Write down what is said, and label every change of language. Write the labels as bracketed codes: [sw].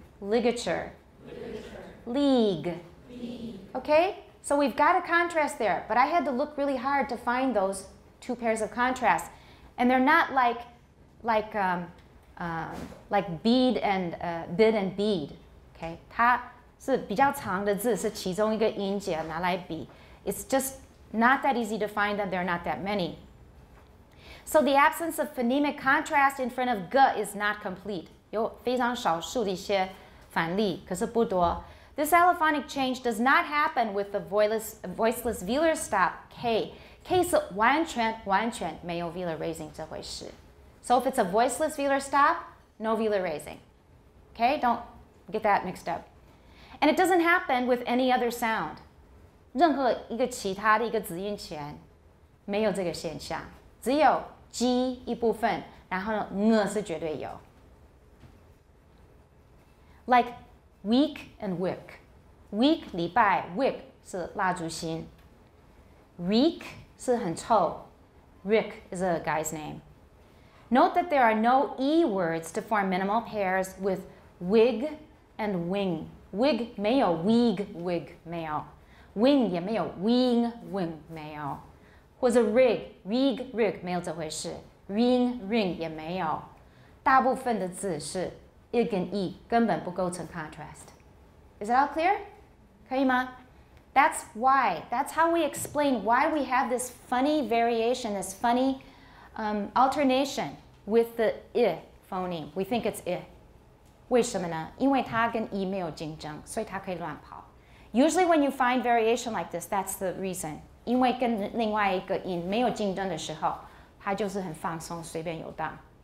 [en] Ligature. League. Okay? So we've got a contrast there, but I had to look really hard to find those two pairs of contrasts. And they're not like bead and bid and bead. Okay? [zh] 它是比较长的字是其中一个音节拿来比。 [en] It's just not that easy to find them. There are not that many. So the absence of phonemic contrast in front of g is not complete. [zh] 有非常少数的一些反例可是不多。 [en] This allophonic change does not happen with the voiceless velar stop, K. [zh] K 是完全完全没有 velar raising 这回事。 [en] So if it's a voiceless velar stop, no velar raising. Okay, don't get that mixed up. And it doesn't happen with any other sound. [zh] 任何一个其他的一个子音前没有这个现象。只有 G 一部分然后呢 ,ng 是绝对有。 [en] Like,Week and wick. Week, [zh] 礼拜 [en] wick, [zh] 是蜡烛心 [en] Reek, [zh] 是很臭 [en] Rick is a guy's name. Note that there are no E words to form minimal pairs with wig and wing. [zh] Wig, 没有 wig, wig, 没有 Wing, 也没有 wing, wing, 没有或者 rig, rig, rig, 没有这回事 Ring, ring, 也没有大部分的字是I 跟 E 根本不构成 contrast. [en] Is it all clear? [zh] 可以吗? [en] That's why. That's how we explain why we have this funny variation, this funny alternation with the I phoneme. We think it's I. [zh] 为什么呢? 因为它跟 E 没有竞争,所以它可以乱跑。 [en] Usually when you find variation like this, that's the reason. [zh] 因为跟另外一个音没有竞争的时候,它就是很放松,随便游荡。